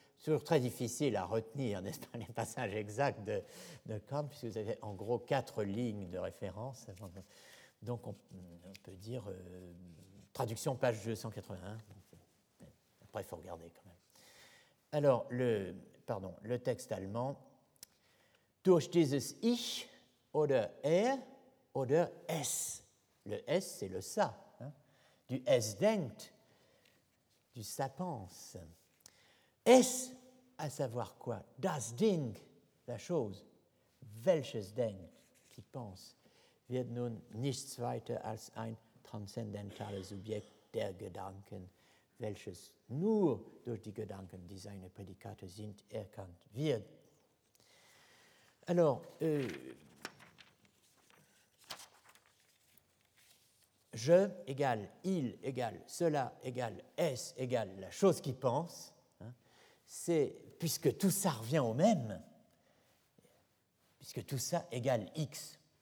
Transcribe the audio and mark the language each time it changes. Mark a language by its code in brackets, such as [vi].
[fr] C'est toujours très difficile à retenir, n'est-ce pas, les passages exacts de Kant, puisque vous avez en gros quatre lignes de référence. Donc, on peut dire traduction page 281. Après, il faut regarder quand même. Alors, le texte allemand. [de] Durch dieses Ich oder Er oder Es. [fr] Le Es, c'est le Ça. Hein? Du [de] Es denkt, [fr] du Ça pense. Es, à savoir quoi? [de] Das Ding, [fr] la chose. [de] Welches denkt, [fr] qui pense. [de] Wird nun nichts weiter als ein transzendentales Subjekt der Gedanken, welches nur durch die Gedanken, die seine Prädikate sind, erkannt wird. [fr] Alors, je égale il égale cela égale es égale la chose qui pense, hein, c'est puisque tout ça revient au même, puisque tout ça égale x,